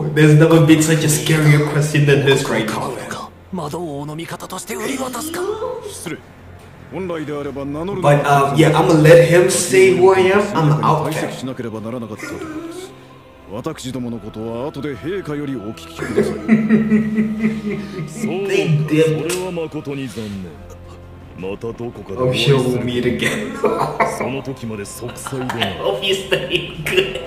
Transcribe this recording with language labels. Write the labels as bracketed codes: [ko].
[en] Yo, there's never been such a scarier question than this right now. [ja] 魔導王の味方として売り渡すか。失礼。本来であれば名乗る。 [en] But yeah, I'm gonna let him say who I am. I'm the outcast. [ja] 退席しなければならなかったということです。私どものことは後で陛下よりお聞きください。そう、それは誠に残念。またどこかでお会いする。 [en] I'll meet again. [ja] その時まで息災でない。 [en] I hope you stay in good